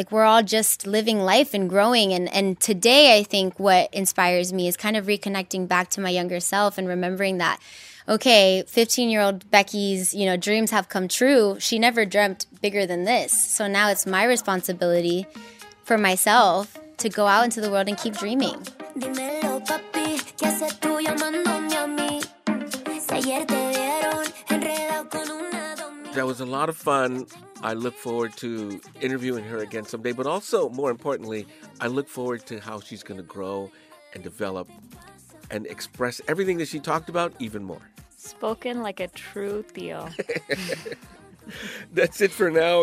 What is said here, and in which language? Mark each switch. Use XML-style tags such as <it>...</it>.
<en>Like, we're all just living life and growing. And today I think what inspires me is kind of reconnecting back to my younger self and remembering that, okay, 15-year-old Becky's, you know, dreams have come true. She never dreamt bigger than this. So now it's my responsibility for myself to go out into the world and keep dreaming.</en> <es>Dímelo, papi, ¿qué haces tú llamándome a mí? Si ayer te vieron enredado con una domina.</es> <en>That was a lot of fun. I look forward to interviewing her again someday, but also, more importantly, I look forward to how she's going to grow and develop and express everything that she talked about even more. Spoken like a true Theo. That's it for now.</en>